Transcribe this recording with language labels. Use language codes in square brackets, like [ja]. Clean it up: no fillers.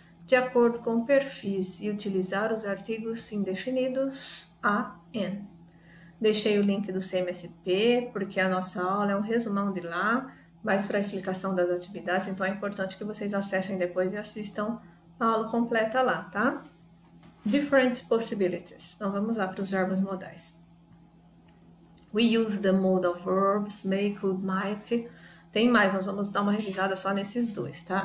[pt] De acordo com perfis e utilizar os artigos indefinidos a, n. Deixei o link do CMSP, porque a nossa aula é um resumão de lá, mas para a explicação das atividades, então é importante que vocês acessem depois e assistam a aula completa lá, tá? [en] Different possibilities. [pt] Então vamos lá para os verbos modais. [en] We use the modal verbs may, could, might. [pt] Tem mais, nós vamos dar uma revisada só nesses dois, tá?